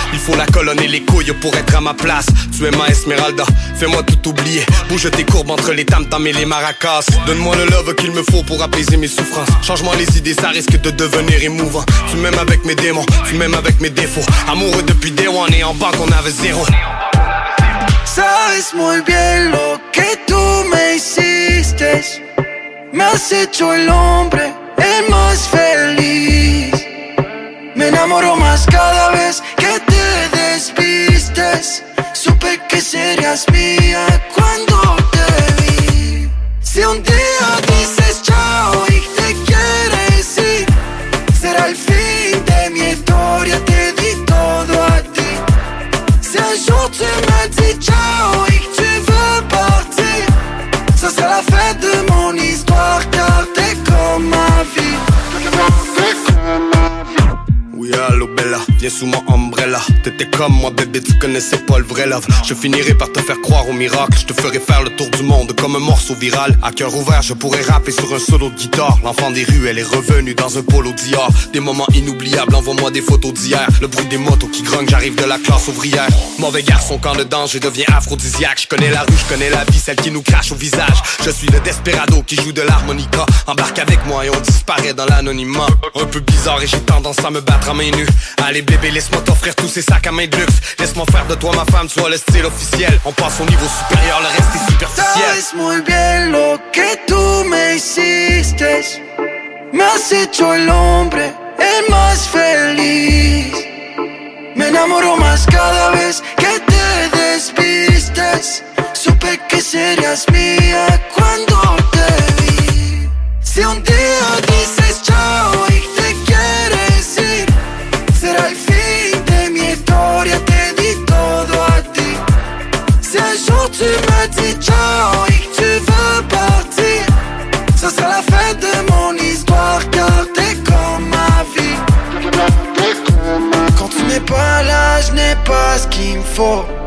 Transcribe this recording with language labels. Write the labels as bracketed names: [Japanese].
[French] Il faut la colonne et les couilles pour être à ma place. Tu es ma Esmeralda, fais-moi tout oublier. Bouge tes courbes entre les tam-tam et les maracas. Donne-moi le love qu'il me faut pour apaiser mes souffrances. Change-moi les idées, ça risque de devenir émouvant. Tu m'aimes avec mes démons, tu m'aimes avec mes défauts. Amoureux depuis [English] day one [French] et en banque on avait zéro. [Spanish] Sabes muy bien lo que tú me hiciste. Me has hecho el hombre el más feliz. Me enamoro más cada vez que te despistes. Supe que serías mía cuando te vi. Si un día dices chao y te quieres ir, será el fin de mi historia, te di todo a ti. [French] Si un jour tu m'as dit chao y tu veux partir, ça sera la fin de mon histoire, car t'es comme ma vie. Allo Bella, viens sous mon umbrella. T'étais comme moi bébé, tu connaissais pas le vrai love. Je finirai par te faire croire au miracle. Je te ferai faire le tour du monde comme un morceau viral. À cœur ouvert, je pourrais rapper sur un solo de guitare. L'enfant des rues, elle est revenue dans un polo Dior. Des moments inoubliables, envoie-moi des photos d'hier. Le bruit des motos qui grognent, j'arrive de la classe ouvrière. Mauvais garçon, quand dedans, je deviens aphrodisiaque. Je connais la rue, je connais la vie, celle qui nous crache au visage. Je suis le desperado qui joue de l'harmonica. Embarque avec moi et on disparaît dans l'anonymat. Un peu bizarre et j'ai tendance à me battre à main. Allez bébé, laisse-moi t'offrir tous ces sacs à main de luxe. Laisse-moi faire de toi ma femme, sois le style officiel. On passe au niveau supérieur, le reste est superficiel. [Spanish] Sabes muy bien lo que tú me hiciste. Me has hecho el hombre el más feliz. Me enamoro más cada vez que te despistes. Supe que serías mía cuando te vi. Si un día dices chao y te quieres, será el fin de mi historia, te di todo a ti. [French] Si un jour tu m'as dit chao y tu veux partir, ça sera la fin de mon histoire, car t'es comme ma vie. Quand tu n'es pas là, je n'ai pas ce qu'il me faut.